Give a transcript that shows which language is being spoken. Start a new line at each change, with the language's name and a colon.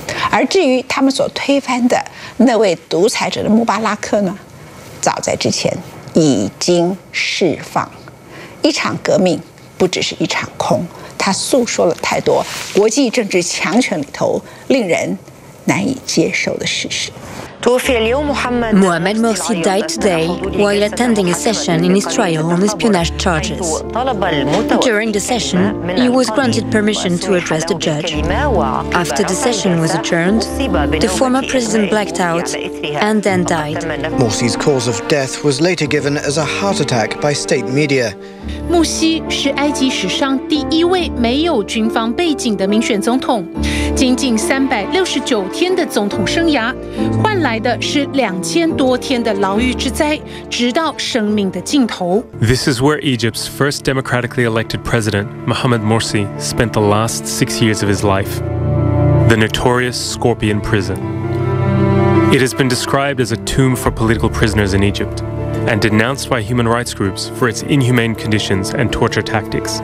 Chinese: 而至于他们所推翻的那位独裁者的穆巴拉克呢？早在之前已经释放。一场革命不只是一场空，它诉说了太多国际政治强权里头令人难以接受的事实。
English: Mohamed Morsi died today while attending a session in his trial on espionage charges. During the session, he was granted permission to address the judge. After the session was adjourned, the former president blacked out and then died. Morsi's cause of death was later given as a heart attack by state media.
Chinese: 穆西是埃及史上第一位没有军方背景的民选总统，仅仅369天的总统生涯，换来的是2000多天的牢狱之灾，直到生命的尽头。
English: This is where Egypt's first democratically elected president, Mohamed Morsi, spent the last 6 years of his life, the notorious Scorpion Prison. It has been described as a tomb for political prisoners in Egypt, and denounced by human rights groups for its inhumane conditions and torture tactics.